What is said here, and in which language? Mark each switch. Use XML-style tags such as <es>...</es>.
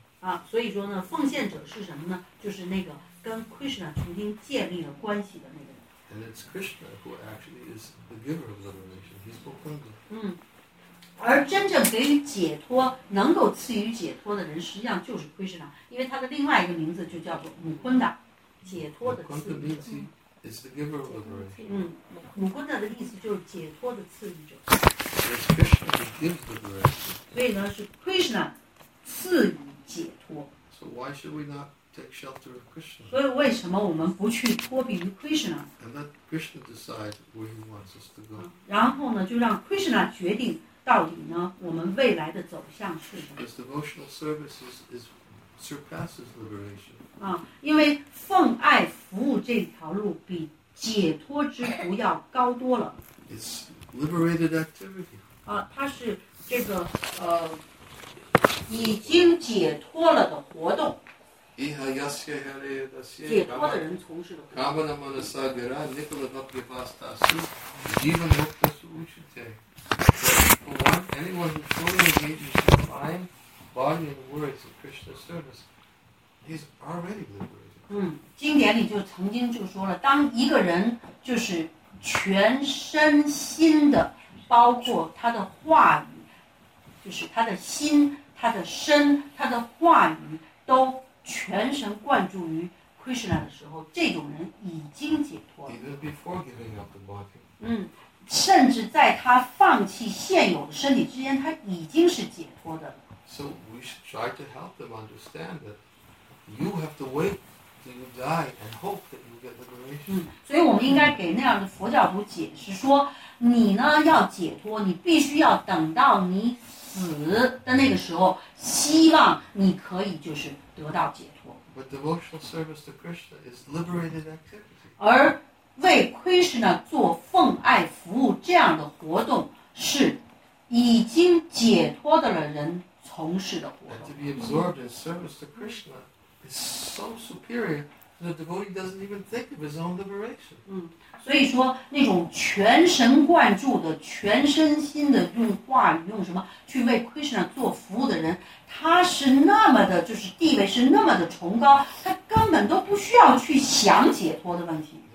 <zh>啊，所以说呢，奉献者是什么呢？就是那个跟 Krishna 重新建立了关系的那个人。</zh> <en>And it's Krishna who actually is the giver of liberation. He's Gokunda.</en> <zh>嗯。而真正给予解脱能够赐予解脱的人实际上就是 Krishna 因为他的另外一个名字就叫做 Mukunda 解脱的赐予者</zh> <en>Mukunda is the giver of liberation</en> <zh>Mukunda 的意思就是解脱的赐予者</zh> <en>It's Krishna who gives liberation</en> <zh>所以呢是 Krishna 赐予解脱</zh> <en>So why should we not take shelter of Krishna</en> <zh>所以为什么我们不去脱避于 Krishna</zh> <en>And let Krishna decide where he wants us to go</en> <zh>然后呢就让 Krishna 决定到底呢？我们未来的走向是什么</zh> <en>？Because devotional service is surpasses liberation.</en> <zh>啊，因为奉爱服务这条路比解脱之途要高多了。</zh> <en>It's liberated activity.</en> <zh>啊，它是这个已经解脱了的活动。</zh> <sa>Iha yasya hare dasya.</sa> <zh>解脱的人从事的。</zh> <sa>Kamana mana sagara nikala bhakti vastasu jiva mukta suchite.</sa> <en>Anyone who fully engages in mind, body, and words of Krishna's service, he's already liberated.</en> <zh>嗯，经典里就曾经就说了，当一个人就是全身心的，包括他的话语，就是他的心、他的身、他的话语都全神贯注于 Krishna 的时候，这种人已经解脱了。</zh> <en>Even before giving up the body.</en> <zh>嗯。甚至在他放弃现有的身体之间，他已经是解脱的了。</zh> <en>So we should try to help them understand that you have to wait till you die and hope that you get liberation.</en> <zh>嗯，所以我们应该给那样的佛教徒解释说，你呢要解脱，你必须要等到你死的那个时候，希望你可以就是得到解脱。</zh> <en>But devotional service to Krishna is liberated activity.</en> <zh>而为 Krishna 做奉爱服务这样的活动是已经解脱的了人从事的活动。</zh> <en>And to be absorbed in service to Krishna is so superior that the devotee doesn't even think of his own liberation.</en> <zh>嗯，所以说那种全神贯注的、全身心的用话语、用什么去为 Krishna 做服务的人，他是那么的，就是地位是那么的崇高，他根本都不需要去想解脱的问题。</zh>